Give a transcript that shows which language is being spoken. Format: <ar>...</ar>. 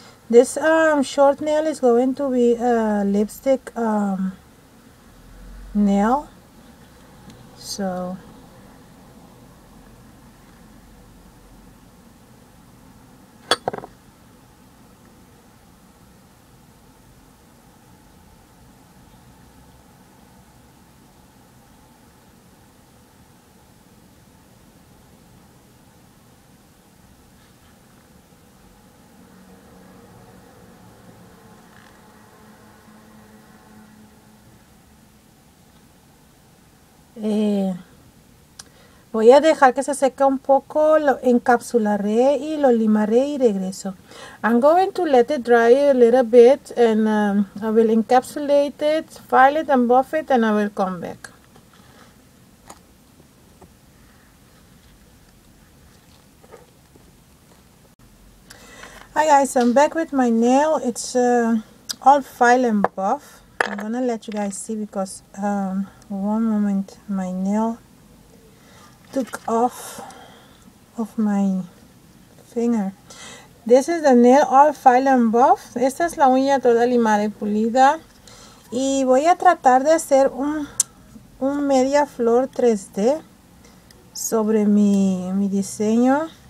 <en>This short nail is going to be a lipstick nail. So</en> <es>voy a dejar que se seque un poco, lo encapsularé y lo limaré y regreso.</es> <en>I'm going to let it dry a little bit, and I will encapsulate it, file it and buff it, and I will come back. Hi guys, I'm back with my nail. It's all file and buff. I'm gonna let you guys see because one moment, my nail took off of my finger. This is the nail all file and buff.</en> <es>Esta es la uña toda limada y pulida. Y voy a tratar de hacer un media flor 3D sobre mi diseño.</es>